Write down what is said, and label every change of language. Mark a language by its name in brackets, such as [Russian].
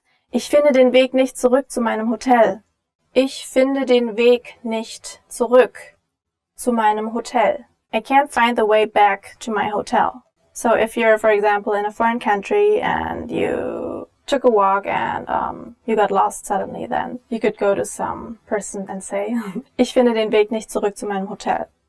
[German] Ich finde den Weg nicht zurück zu meinem Hotel. Ich finde den Weg nicht zurück zu meinem Hotel. [English] I can't find the way back to my hotel. So if you're, for example, in a foreign country and you took a walk and you got lost suddenly, then you could go to some person and say, [German] Ich finde den Weg nicht zurück zu meinem Hotel.